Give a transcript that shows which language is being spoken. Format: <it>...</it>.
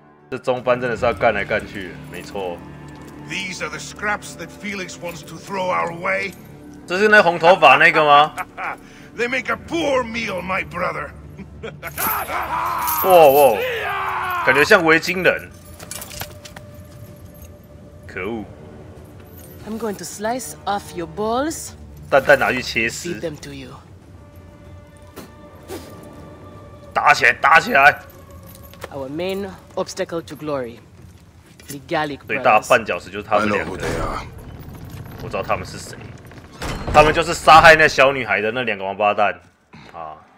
<zh>这中班真的是要干来干去，没错。</zh> <en>These are the scraps that Felix wants to throw our way.</en> <zh>这是那红头发那个吗？</zh> <en>They make a poor meal, my brother.</en> <zh>哇哇，感觉像维京人。可恶。</zh> <en>I'm going to slice off your balls.</en> <zh>蛋蛋拿去切丝。</zh> <en>Feed them to you.</en> <zh>打起来，打起来。</zh> <en>Our main obstacle to glory, the Gallic brothers.</en> <zh>最大绊脚石就是他们两个。</zh> <en>I know who they are.</en> <zh>我知道他们是谁。他们就是杀害那小女孩的那两个王八蛋啊！</zh>